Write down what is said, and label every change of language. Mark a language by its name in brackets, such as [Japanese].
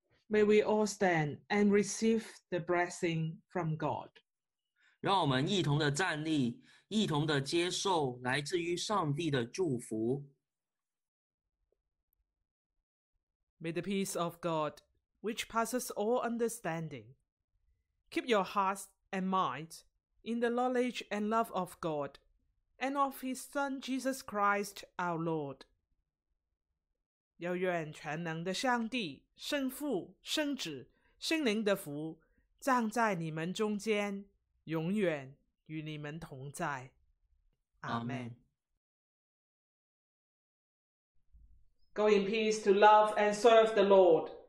[English] May we all stand and receive the blessing from God. [Chinese] 让我们一同的站立，一同的接受来自于上帝的祝福。 [English] May the peace of God, which passes all understanding, keep your hearts and minds in the knowledge and love of God and of His Son Jesus Christ, our Lord. [Chinese] 要愿全能的上帝圣父圣子圣灵的福葬在你们中间，永远与你们同在。阿们。 [English] Go in peace to love and serve the Lord.